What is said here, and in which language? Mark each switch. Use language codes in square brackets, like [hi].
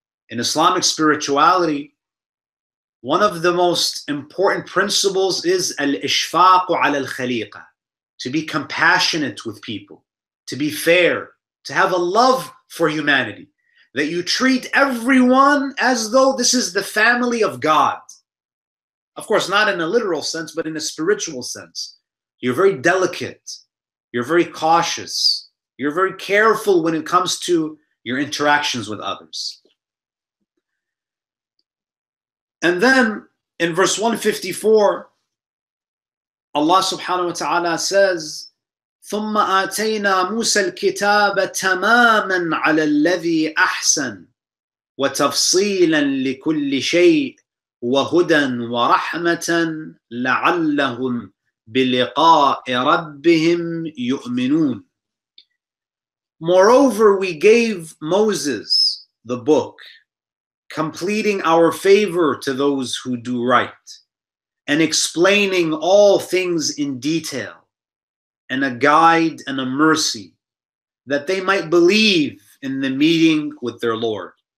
[en] In Islamic spirituality, one of the most important principles is al-ishfaqu ala al-khaliqa, to be compassionate with people, to be fair, to have a love for humanity, that you treat everyone as though this is the family of God. Of course, not in a literal sense, but in a spiritual sense. You're very delicate. You're very cautious. You're very careful when it comes to your interactions with others. And then in verse 154, Allah subhanahu wa ta'ala says, [ar] ثُمَّ آتَيْنَا مُوسَى الْكِتَابَ تَمَامًا عَلَى الَّذِي أَحْسَنَ وَتَفْصِيلًا لِكُلِّ شَيْءٍ وَهُدًى وَرَحْمَةً لَعَلَّهُمْ بِلِقَاءِ رَبِّهِمْ يُؤْمِنُونَ. [en] Moreover, we gave Moses the book, completing our favor to those who do right, and explaining all things in detail, and a guide and a mercy, that they might believe in the meeting with their Lord.